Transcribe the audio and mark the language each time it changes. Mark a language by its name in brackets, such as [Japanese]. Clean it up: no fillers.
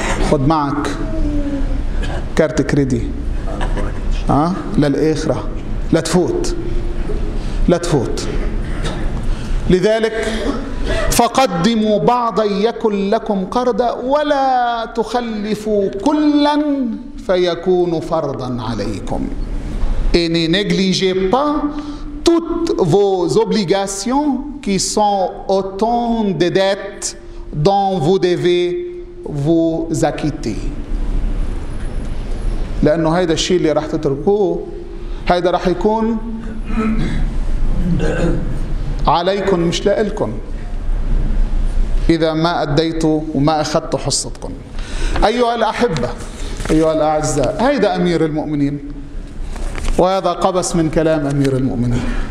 [Arabic] خذ معك كارت كريدي، ها للآخرة، لا تفوت. لذلك فقدموا بعضا يكن لكم قرضا ولا تخلفوا كلا فيكون فرضا عليكم. [French] Et ne négligez pas toutes vos obligations qui sont autant de dettes dont vous devez vous acquitter. [Arabic] لأنه هيدا الشيء اللي راح تتركوه هيدا راح يكون عليكم مش لإلكم إذا ما أديتوا وما أخذتوا حصتكم. أيها الأحبة، أيها الأعزاء، هيدا أمير المؤمنين، وهذا قبس من كلام أمير المؤمنين.